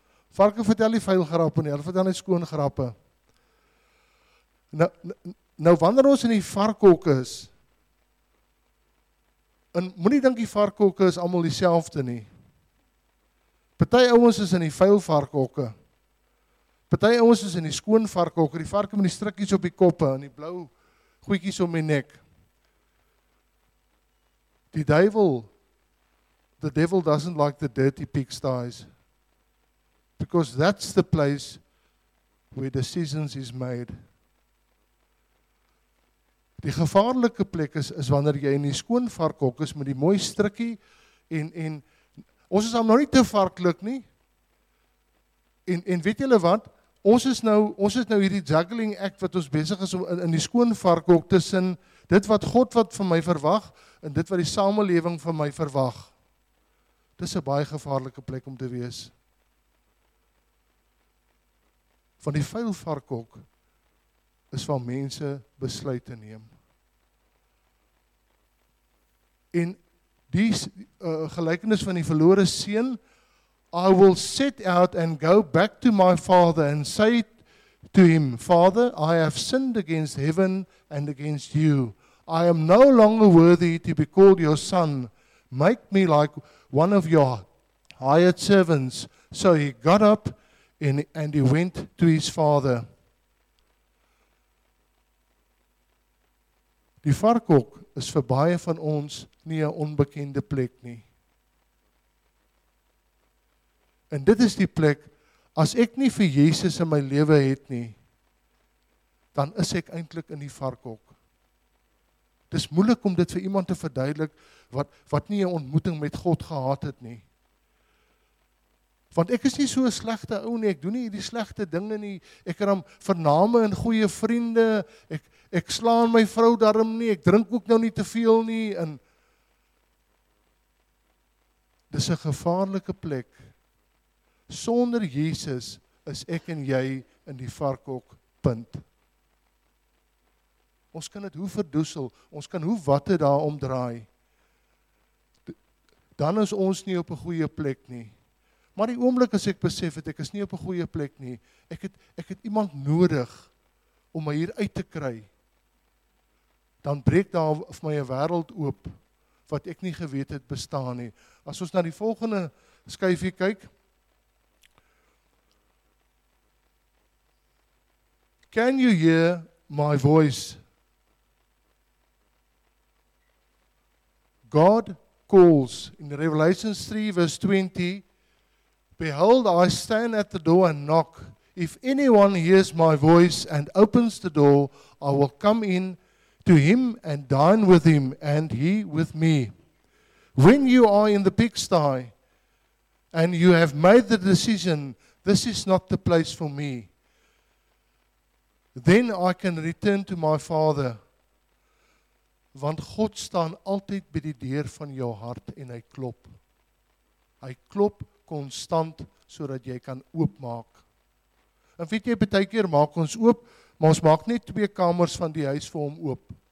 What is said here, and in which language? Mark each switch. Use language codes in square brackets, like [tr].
[af] Varke vertel nie vuil grappe nie, hulle vertel net skoon grappe. Nou wanneer ons in die varkhok is, en moenie dink die varkhokke is almal dieselfde nie. Party ouens is in die vuil varkhokke. Party ouens is in die skoon varkhokke, die varke met die strikkies op die koppe en die blou goedjies om die nek. Die duivel, [en] the devil doesn't like the dirty pigsties. Because that's the place where decisions is made. [af] Die gevaarlike plek is wanneer jy in die skoon varkhok is met die mooi strikkie en ons is nou nie te varklik nie. En weet julle wat? Ons is nou hierdie juggling act wat ons besig is om in die skoon varkhok tussen dit wat God wat van my verwag en dit wat die samelewing van my verwag. Dis 'n baie gevaarlike plek om te wees. Van die vuil varkhok is waar mense besluite neem. En die gelykenis van die verlore seun, [en] I will set out and go back to my father and say to him, Father, I have sinned against heaven and against you. I am no longer worthy to be called your son. Make me like one of your hired servants. So he got up and he went to his father. [af] Die varkhok is vir baie van ons nie 'n onbekende plek nie. En dit is die plek, as ek nie vir Jesus in my lewe het nie, dan is ek eintlik in die varkhok. Dis moeilik om dit vir iemand te verduidelik wat nie 'n ontmoeting met God gehad het nie. Want ek is nie so 'n slegte ou nie, ek doen nie hierdie slegte dinge nie, ek het 'n vername en goeie vriende, ek slaan my vrou daarom nie, ek drink ook nou nie te veel nie, en dis 'n gevaarlike plek. Sonder Jesus is ek en jy in die varkhok, punt. Ons kan dit hoe verdoesel, ons kan hoe watte daar omdraai, dan is ons nie op 'n goeie plek nie. Maar die oomblik as ek besef het, ek is nie op 'n goeie plek nie. Ek het iemand nodig om my hier uit te kry. Dan breek daar vir my 'n wêreld oop wat ek nie geweet het bestaan nie. As ons na die volgende skyfie kyk. [en] Can you hear my voice? God calls in Revelation 3 verse 20. Behold, I stand at the door and knock. If anyone hears my voice and opens the door, I will come in to him and dine with him and he with me. When you are in the pigsty and you have made the decision, this is not the place for me, then I can return to my Father. [af] Want God staan altyd by die deur van jou hart en hy klop. Hy klop konstant sodat jy kan oopmaak. En weet jy, baie keer maak ons oop, maar ons maak net twee kamers van die huis vir hom oop.